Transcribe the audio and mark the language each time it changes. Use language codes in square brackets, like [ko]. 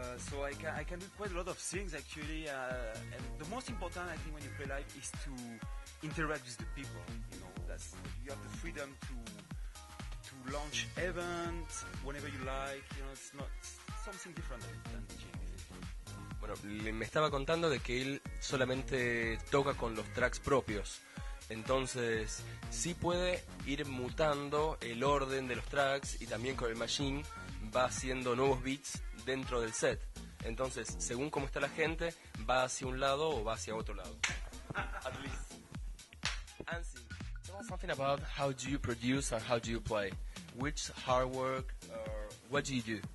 [en] So I can do quite a lot of things actually, and the most important I think when you play live is to interact with the people, you know. That's, you have the freedom to launch events whenever you like, you know. It's not something different than DJing. [es] Bueno, me estaba contando de que él solamente toca con los tracks propios. Entonces, sí puede ir mutando el orden de los tracks y también con el machine va haciendo nuevos beats dentro del set. Entonces, según cómo está la gente, va hacia un lado o va hacia otro lado. [en] At least. Ansi, tell us something about how do you produce and how do you play. Which hard work or what do you do?